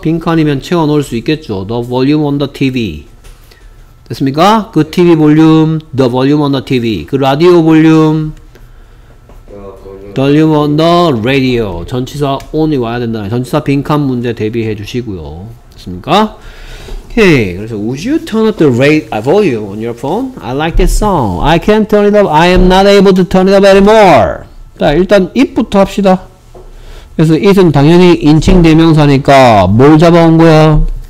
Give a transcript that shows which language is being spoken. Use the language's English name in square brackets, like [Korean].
[Korean] 빈칸이면 채워놓을 수 있겠죠. [English] the volume on the TV. [Korean] 됐습니까? 그 TV 볼륨, [English] the volume on the TV. [Korean] 그 라디오 볼륨, [English] the volume on the radio. [Korean] 전치사 on이 와야 된다. 전치사 빈칸 문제 대비해 주시고요. 됐습니까? 오케이. 그래서 [English] would you turn up the volume on your phone? I like this song. I can't turn it up. I am not able to turn it up anymore. [Korean] 자, 일단 if부터 합시다. 그래서 it은 당연히 인칭 대명사니까 뭘 잡아온 거야?